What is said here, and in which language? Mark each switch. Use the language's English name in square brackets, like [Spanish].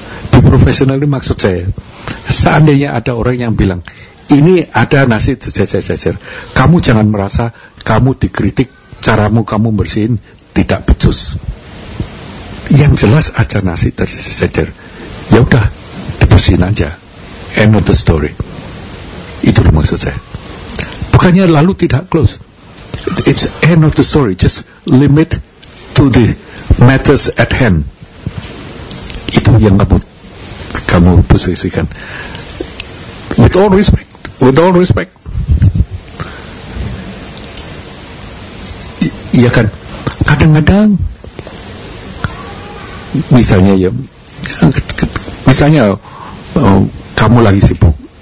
[Indonesian] Be professional ini maksud saya, seandainya ada orang yang bilang, ini ada nasi tercecer-cecer, kamu jangan merasa kamu dikritik caramu kamu bersihin tidak becus. Yang jelas ada nasi tercecer-cecer, ya udah dibersihin aja. [English] End of the story. [Indonesian] Itu maksud saya. Bukannya lalu tidak close. [English] It's end of the story. Just limit to the matters at hand. [Indonesian] Itu yang kamu posisikan. [English] With all respect. [Indonesian] Iya kan? Kadang-kadang misalnya ya, misalnya kamu lagi sibuk.